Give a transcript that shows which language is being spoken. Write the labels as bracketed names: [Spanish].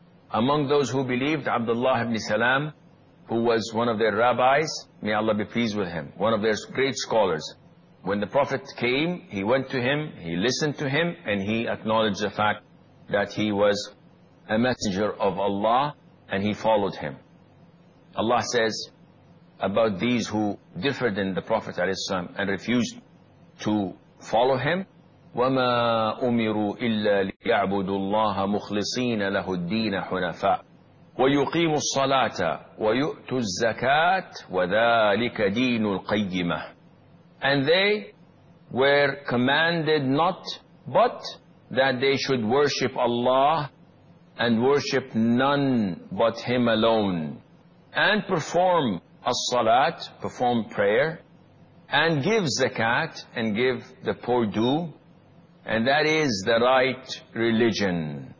[English] Among those who believed, Abdullah ibn Salam, who was one of their rabbis, may Allah be pleased with him, one of their great scholars. When the Prophet came, he went to him, he listened to him, and he acknowledged the fact that he was a messenger of Allah, and he followed him. Allah says about these who differed in the Prophet ﷺ and refused to follow him, [Arabic] وَمَا أُمِرُوا إِلَّا لِيَعْبُدُوا اللَّهَ مُخْلِصِينَ لَهُ الدِّينَ حُنَفَاءَ وَيُقِيمُوا الصَّلَاةَ وَيُؤْتُوا الزَّكَاةَ وَذَلِكَ دِينُ الْقَيِّمَةَ. [English] And they were commanded not but that they should worship Allah and worship none but Him alone, and perform as-salat, perform prayer, and give zakat, and give the poor due, and that is the right religion.